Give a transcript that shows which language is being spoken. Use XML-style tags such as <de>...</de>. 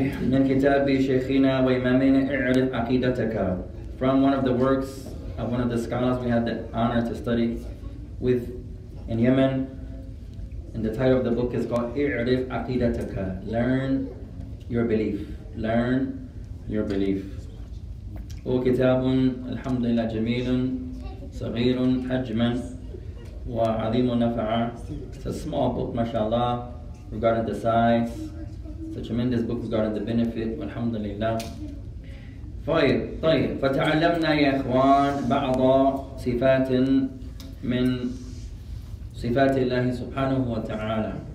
<ar>من كتاب شيخنا وإمامنا اعرف عقيدتك.</ar> <en>From one of the works of one of the scholars we had the honor to study with in Yemen. And the title of the book is called اعرف عقيدتك. Learn your belief. Learn your belief.</en> <ar>هو كتاب الحمد لله جميل صغير حجما وعظيم نفع.</ar> <en>It's a small book, mashallah, regarding the size. A tremendous book regarding the benefit. Alhamdulillah.</en> <ar>طيب طيب فتعلمنا يا إخوان بعض صفات من صفات الله سبحانه وتعالى.</ar>